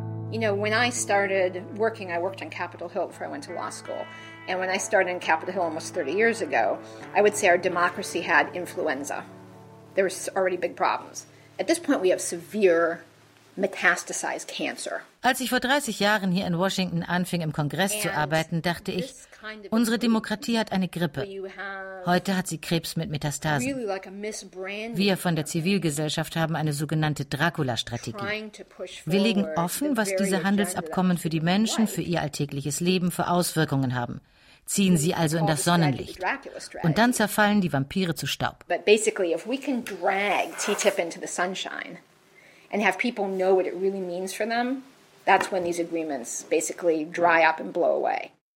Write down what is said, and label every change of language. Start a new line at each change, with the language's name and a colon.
English: You know, when I started working, I worked on Capitol Hill before I went to law school. And when I started in Capitol Hill almost 30 years ago, I would say our democracy had influenza. There was already big problems. At this point, we have severe metastasized cancer.
German: Als ich vor 30 Jahren hier in Washington anfing, im Kongress zu arbeiten, dachte ich, unsere Demokratie hat eine Grippe. Heute hat sie Krebs mit Metastasen. Wir von der Zivilgesellschaft haben eine sogenannte Dracula-Strategie. Wir legen offen, was diese Handelsabkommen für die Menschen, für ihr alltägliches Leben, für Auswirkungen haben. Ziehen sie also in das Sonnenlicht. Und dann zerfallen die Vampire zu Staub.
English: But basically, if we can drag TTIP into the sunshine and have people know what it really means for them, that's when these agreements basically dry up and blow away.